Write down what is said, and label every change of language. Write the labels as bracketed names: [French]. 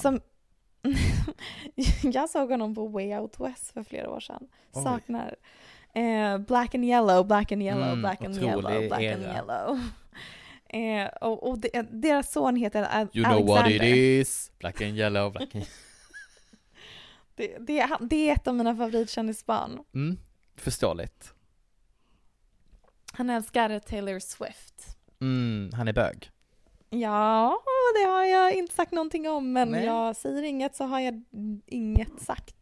[Swedish] Som jag såg honom på Way Out West för flera år sedan. Oj. Saknar. [English] Black and Yellow, Black and Yellow, Black and Yellow, Black and Yellow. [Swedish] Och deras son heter [English] Alexander. You know what it is? Black and Yellow, Black and Yellow. [Swedish] Det är ett av mina favoritkändisbarn. Mm, förståeligt. Han älskar Taylor Swift. Mm, han är bög. Ja, det har jag inte sagt någonting om. Men nej. Jag säger inget så har jag inget sagt.